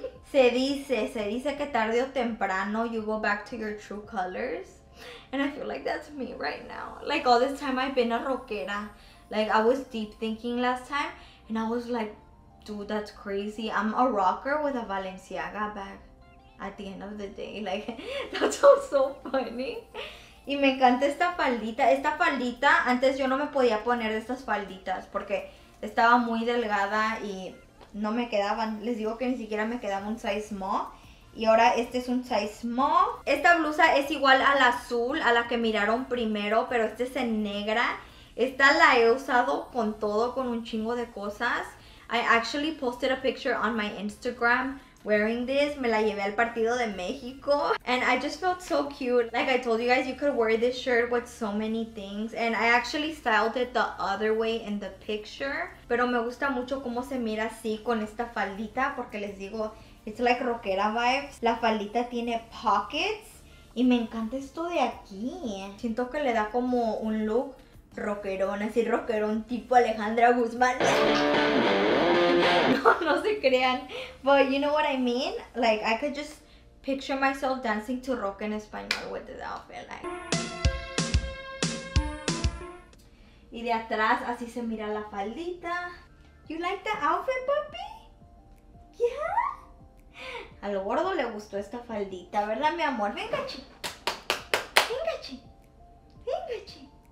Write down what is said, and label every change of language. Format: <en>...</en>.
<es>Se dice que tarde o temprano</es> <en>you go back to your true colors. And I feel like that's me right now. Like all this time I've been a rockera. Like I was deep thinking last time and I was like, dude, that's crazy. I'm a rocker with a Balenciaga bag at the end of the day. Like that's all so funny.</en> <es>Y me encanta esta faldita. Esta faldita, antes yo no me podía poner estas falditas porque estaba muy delgada y no me quedaban. Les digo que ni siquiera me quedaba un size small. Y ahora este es un size small. Esta blusa es igual al azul, a la que miraron primero, pero este es en negra. Esta la he usado con todo, con un chingo de cosas.</es> <en>I actually posted a picture on my Instagram wearing this.</en> <es>Me la llevé al partido de México.</es> <en>And I just felt so cute. Like I told you guys, you could wear this shirt with so many things. And I actually styled it the other way in the picture.</en> <es>Pero me gusta mucho cómo se mira así con esta faldita. Porque les digo,</es> <en>it's like rockera vibes.</en> <es>La faldita tiene pockets. Y me encanta esto de aquí. Siento que le da como un look rockerón. Así rockerón tipo Alejandra Guzmán. No se crean,</es> <en>but you know what I mean? Like, I could just picture myself dancing to rock en español with this outfit, like.</en> <es>Y de atrás, así se mira la faldita.</es> <en>You like the outfit, papi?</en> <es>Yeah? Al gordo le gustó esta faldita, ¿verdad, mi amor? Venga, chi. Venga, chi. Venga, chi.</es>